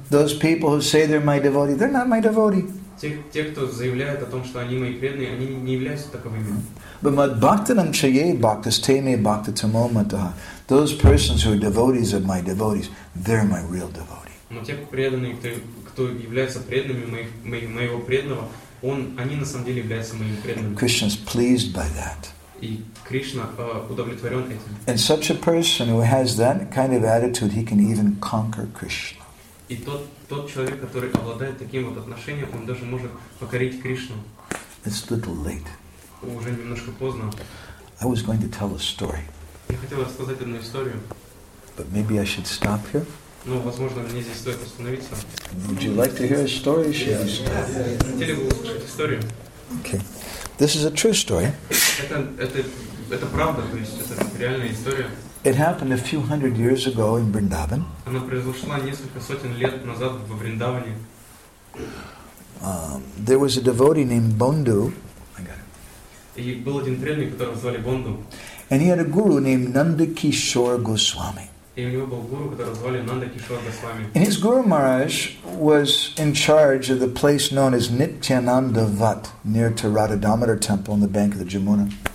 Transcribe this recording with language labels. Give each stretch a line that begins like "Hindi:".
English: Those people who say they're my devotee, they're not my devotee.
Russian: Те, кто заявляет о том, что они мои преданные, они не являются таковыми.
English: But
Sanskrit: mad bhaktanam chaye bhakta ste me bhakta tamo mataha.
English: Those persons who are devotees of my devotees, they're my real devotee.
Russian: Но те преданные, кто является преданными моего преданного, они на самом деле являются моими преданными.
English: Krishna is pleased by that.
Russian: И Кришна удовлетворен этим.
English: And such a person who has that kind of attitude, he can even conquer Krishna.
Russian: И тот человек, который обладает таким вот отношением, он даже может покорить Кришну.
English: It's a little late.
Russian: Уже немножко поздно.
English: I was going to tell a story.
Russian: Я хотел рассказать одну историю.
English: But maybe I should stop here.
Russian: Ну, возможно, мне здесь стоит остановиться.
English: Would you like to hear a story? Yes.
Russian: Хотели бы услышать историю?
English: Okay. This is a true story.
Russian: Это это правда, то есть это реальная история.
English: It happened a few hundred years ago in Vrindavan.
Russian: Она произошла несколько сотен лет назад во Вриндаване.
English: There was a devotee named Bondu.
Russian: И был один преданный, которого звали Бонду.
English: And he had a guru named Nandakishore Goswami.
Russian: И у него был гуру, которого звали Нандакишор Госвами.
English: And his guru Maharaj was in charge of the place known as Nityananda Vat near to Radhadamodar Temple on the bank of the Jamuna.